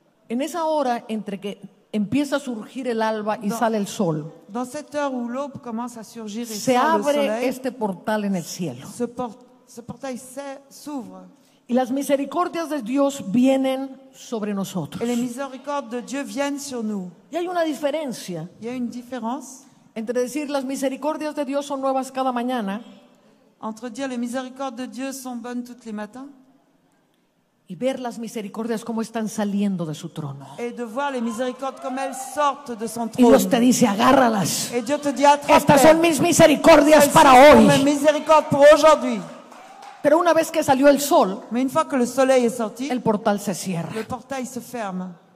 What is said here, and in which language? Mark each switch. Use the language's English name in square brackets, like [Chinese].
[Spanish] En esa hora entre que empieza a surgir el alba y sale el sol. [French] Dans cette heure où l'aube commence à surgir et [Spanish] se abre [French] le soleil, [Spanish] este portal en el cielo. [French] Ce portail s'ouvre. [Spanish] Y las misericordias de Dios vienen sobre nosotros. [French] Et les misericordes de Dieu viennent sur nous. [Spanish] Y hay una diferencia. [French] Il y a une différence. [Spanish] Entre decir las misericordias de Dios son nuevas cada mañana. [French] Entre dire les misericordes de Dieu sont bonnes toutes les matins. [Spanish] Y ver las misericordias como están saliendo de su trono. [French] Et de voir les miséricordes comme elles sortent de son trône. [Spanish] Y Dios te dice, agárralas. [French] Et Dieu te dit, attrape. [Spanish] Estas son mis misericordias para hoy. [French] Mes miséricordes pour aujourd'hui. [Spanish] Pero una vez que salió el sol, [French] mais une fois que le soleil est sorti, [Spanish] el portal se cierra. [French] Le portail se ferme.